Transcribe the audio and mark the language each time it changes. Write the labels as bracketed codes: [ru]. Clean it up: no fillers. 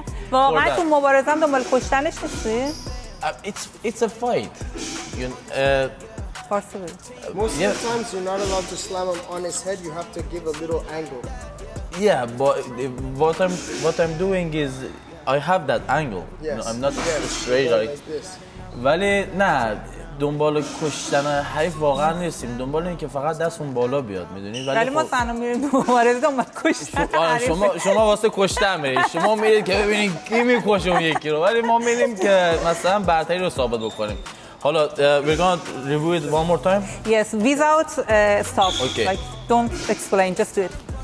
[fa] واقعا تو مبارزه هم دنبال کشتنش نیستی؟ [en] It's a fight, you know, possible. Most yeah. of the times you're not allowed to slam him on his head, you have to give a little angle. Yeah, but what I'm doing is I have that angle. Yes. No, I'm not yes. straight like this. [fa] ولی نه، دنبال کشتن حریف واقعا نیستیم، دنبال اینکه فقط دستمون بالا بیاد، میدونید. ولی ما سنو میریم دوباره دنبال کشتن حریف. شما واسه کشتن میرید، شما میرید که ببینید کی میکشم یکی رو، ولی ما میریم که مثلا برتری رو ثابت بکنیم. [en] حالا we're gonna review it one more time. Yes, without stop. Okay. Like don't explain, just do it.